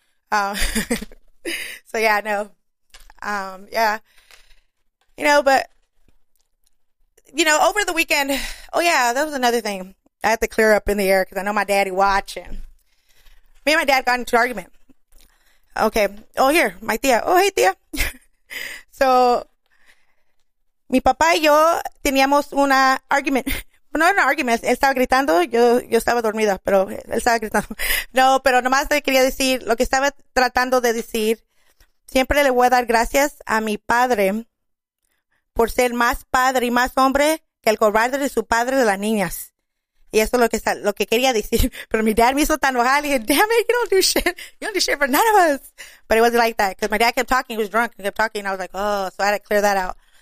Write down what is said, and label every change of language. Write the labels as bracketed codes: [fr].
[en] So, yeah, I know. Yeah. You know, but, you know, over the weekend, oh, yeah, that was another thing. I had to clear up in the air because I know my daddy watching. Me and my dad got into an argument. Okay. Oh, here, my tia. Oh, hey, tia. [es] So, mi papá y yo teníamos una argument. No era un argument. Él estaba gritando. Yo estaba dormida, pero él estaba gritando. No, pero nomás le quería decir lo que estaba tratando de decir. Siempre le voy a dar gracias a mi padre por ser más padre y más hombre que el cobarde de su padre de las niñas. Y eso es lo que quería decir. Pero mi dad me hizo tan mojada. Le dije, [en] damn it, you don't do shit. You don't do shit for none of us. But it wasn't like that. Because my dad kept talking. He was drunk. He kept talking. And I was like, oh, so I had to clear that out.